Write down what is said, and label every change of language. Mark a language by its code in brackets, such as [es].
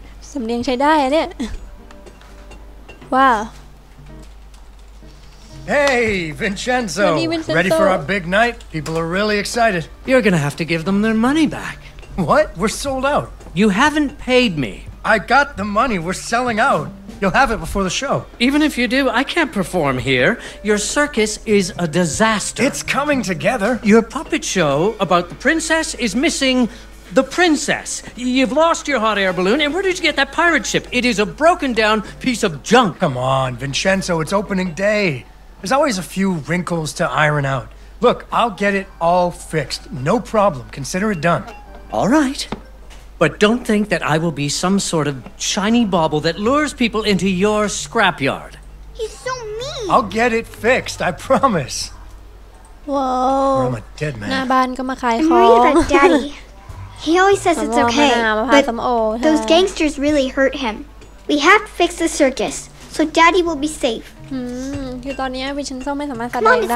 [th] สำเนียงใช้ได้อะเนี่ย Wow. [en] Hey, Vincenzo. Ready for our big night? People are really excited. You're gonna have to give them their money back. What? We're sold out. You haven't paid me. I got the money. We're selling out. You'll have it before the show. Even if you do, I can't perform here. Your circus is a disaster. It's coming together. Your puppet show about the princess is missing the princess. You've lost your hot air balloon, and where did you get that pirate ship? It is a broken down piece of junk. Come on, Vincenzo. It's opening day. There's always a few wrinkles to iron out. Look, I'll get it all fixed. No problem. Consider it done. All right. But don't think that I will be some sort of shiny bauble that lures people into your scrapyard. He's so mean. I'll get it fixed. I promise. Whoa. I'm a dead man. [th] หน้าบ้านก็มาขายของ [en] I'm worried about Daddy. He always says it's okay, but those gangsters really hurt him. We have to fix the circus, so Daddy will be safe. [th] คือตอนนี้วินเชนโซไม่สามารถแสดงได